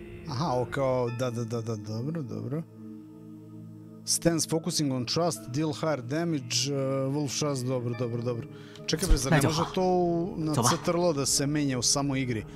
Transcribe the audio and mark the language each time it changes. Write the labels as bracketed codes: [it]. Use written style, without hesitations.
[sr] Aha, okay, да, добро. [en] Stance focusing on trust, deal higher damage, wolf shots, [sr] добро. Čekaj, bre, zar ne može to na CTRL da se menja u samoj igri?